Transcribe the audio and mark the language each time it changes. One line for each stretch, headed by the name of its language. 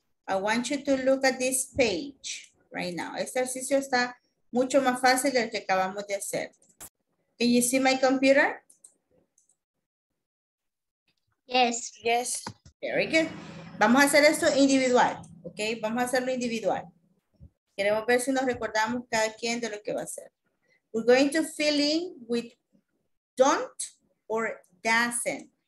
English: I want you to look at this page. Right now.
Spanish: Este ejercicio está mucho más fácil del que acabamos de hacer.
English: Can you see my computer? Yes. Yes. Very good.
Spanish: Vamos a hacer esto individual. Ok. Vamos a hacerlo individual. Queremos ver si nos recordamos cada quien de lo que va a hacer.
English: We're going to fill in with don't or doesn't.